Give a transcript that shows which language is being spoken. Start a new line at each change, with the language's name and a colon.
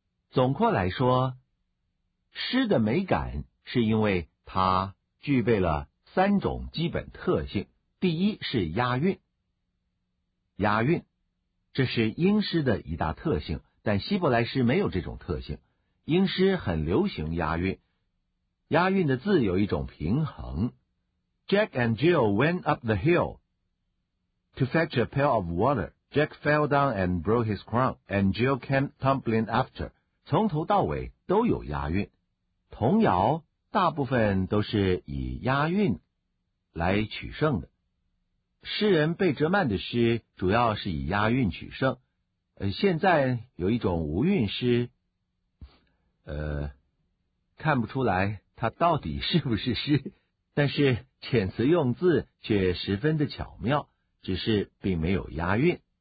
Chinese: 总括来说，诗的美感是因为它具备了三种基本特性。第一是押韵，押韵，这是英诗的一大特性，但希伯来诗没有这种特性。英诗很流行押韵，押韵的字有一种平衡。
English: Jack and Jill went up the hill to fetch a pail of water. Jack fell down and broke his crown, and Jill came tumbling after.
Chinese: 从头到尾都有押韵。童谣大部分都是以押韵来取胜的。诗人贝哲曼的诗主要是以押韵取胜。现在有一种无韵诗，看不出来它到底是不是诗，但是遣词用字却十分的巧妙，只是并没有押韵。